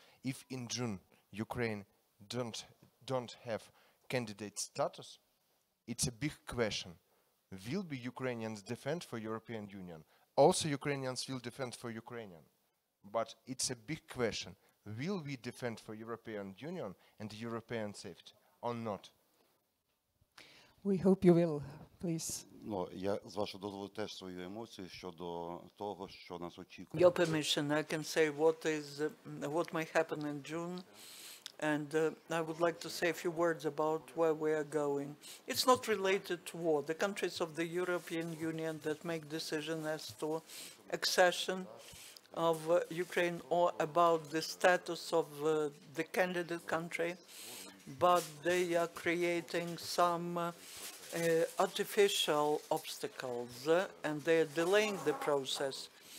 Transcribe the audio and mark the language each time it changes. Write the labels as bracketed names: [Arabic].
[English] If in June Ukraine don't have candidate status, it's a big question. Will be Ukrainians defend for European Union? Also Ukrainians will defend for Ukrainian. But it's a big question. Will we defend for European Union and European safety or not? We hope you will, please. [Ukrainian] Ну, я з вашого дозволу теж свою емоцію щодо того, що нас очікує. [English] Your permission, I can say what may happen in June, and I would like to say a few words about where we are going. It's not related to war. The countries of the European Union that make decision as to accession of Ukraine or about the status of the candidate country, but they are creating some artificial obstacles and they are delaying the process.